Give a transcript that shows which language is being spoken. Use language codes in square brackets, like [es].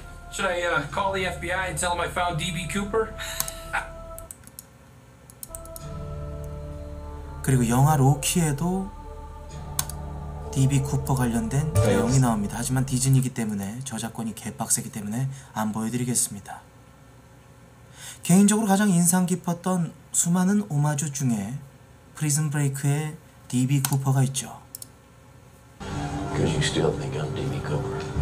[en] Should I call the FBI and tell them I found DB Cooper? [ko] 그리고 영화 로키에도 DB 쿠퍼 관련된 내용이 나옵니다. 하지만 디즈니이기 때문에 저작권이 개빡세기 때문에 안 보여드리겠습니다. 개인적으로 가장 인상 깊었던 수많은 오마주 중에 프리즌 브레이크의 DB 쿠퍼가 있죠. [en] Because you still think I'm DB Cooper.